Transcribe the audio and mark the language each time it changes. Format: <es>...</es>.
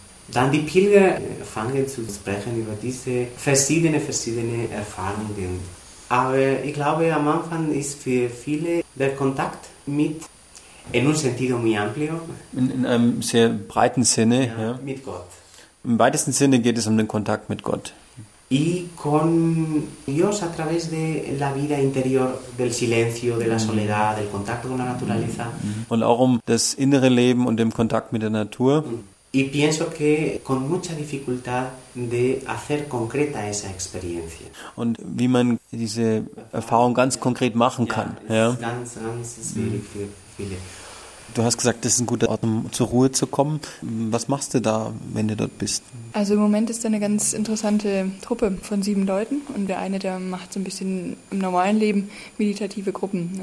<de>Dann die Pilger fangen zu sprechen über diese verschiedene Erfahrungen. Aber ich glaube, am Anfang ist für viele der Kontakt mit,</de> <es>in un sentido muy amplio,</es> <de>in einem sehr breiten Sinne, ja, ja. Mit Gott. Im weitesten Sinne geht es um den Kontakt mit Gott.</de> <es>Y con Dios a través de la vida interior, del silencio, de la soledad, del contacto con la naturaleza.</es> <de>Und auch um das innere Leben und dem Kontakt mit der Natur.</de> <es>Y pienso que con mucha dificultad de hacer concreta esa experiencia.</es> <de>Und wie man diese Erfahrung ganz konkret machen kann. Ja, ganz, ganz schwierig für viele. Du hast gesagt, das ist ein guter Ort, um zur Ruhe zu kommen. Was machst du da, wenn du dort bist? Also im Moment ist da eine ganz interessante Truppe von 7 Leuten. Und der eine, der macht so ein bisschen im normalen Leben meditative Gruppen.</de>